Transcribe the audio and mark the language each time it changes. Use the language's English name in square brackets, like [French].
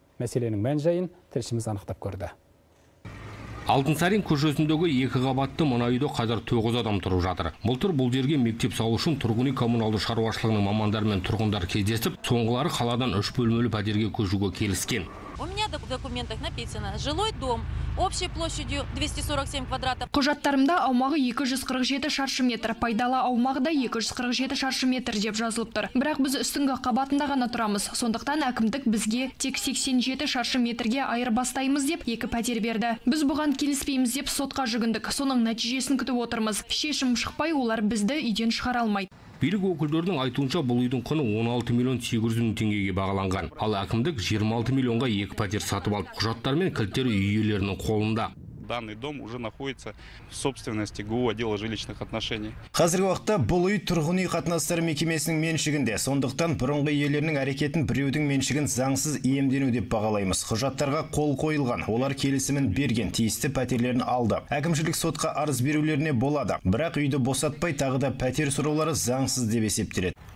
[Kazakh] Мәселенің мән-жайын тілшіміз анықтап көрді. Алтынсарин көшесіндегі екі қабатты мына үйде қазір 9 адам тұрып жатыр. Былтыр бұл жерге мектеп салу үшін тұрғын үй коммуналды шаруашылығының мамандары мен тұрғындар кездесіп, соңғылары қаладан 3 бөлмелі пәтерге көшуге келіскен. [Russian] У меня в документах написано «жилой дом». Общей площадью 247 квадратов. [Kazakh] Құжаттарымда аумағы 247 шаршы метр, пайдала аумағы да 247 шаршы метр деп жазылып тұр. Бірақ біз үстіңгі қабатында ғана тұрамыз. Сондықтан әкімдік бізге тек 87 шаршы метрге айырбастаймыз деп екі пәтер берді. Біз бұған келіспейміз деп сотқа жүгіндік. Соның нәтижесін күтіп отырмыз. Шешім шықпай, олар бізді үйден шығара алмайды. Билік өкілдерінің айтуынша, бұл үйдің құны 16 миллион 800 мың теңгеге бағаланған. Ал әкімдік 26 миллионға екі пәтер сатып алып, құжаттар мен кілттер үй иелерінің қолында. [Russian] Данный дом уже находится в собственности ГУ отдела жилищных отношений. [Kazakh] Қазіргі уақытта бұл үй тұрғын үй қатынастары мекемесінің меншігінде. Сондықтан бұрынғы иелерінің әрекетін біреудің меншігін заңсыз иемдену деп бағалаймыз. Құжаттарға қол қойылған, олар келісімін берген, тиісті пәтерлерін алды. Әкімшілік сотқа арыз берулеріне болады, бірақ үйді босатпай тағы да пәтер сұраулары заңсыз деп есептеледі.